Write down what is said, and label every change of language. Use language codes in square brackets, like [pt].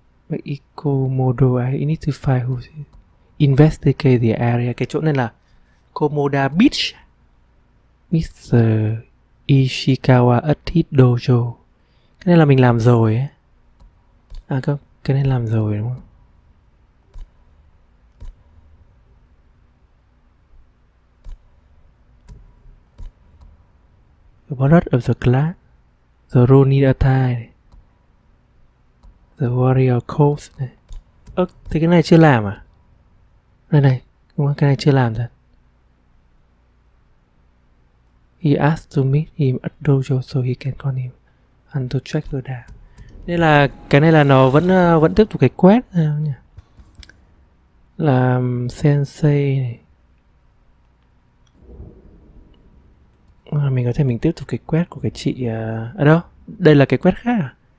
[en] But Ikomodo, I need to find who's here. Investigate the area. [vi] Cái chỗ này là Komoda Beach. Mr. Ishikawa Atit Dojo. Cái này là mình làm rồi ấy. À không, cái này làm rồi đúng không? [en] The Ballad of the Glass. The Ronin Attire. [vi] The Warrior Coast này. Ơ, thì cái này chưa làm à? Đây này, đúng không? Cái này chưa làm rồi. [en] He asked to meet him at dojo so he can call him and to check the data. [vi] Nên là cái này là nó vẫn tiếp tục cái quest nhỉ? Làm sensei này. Mình có thể mình tiếp tục cái quest của cái chị ở đâu? Đây là cái quest khác à?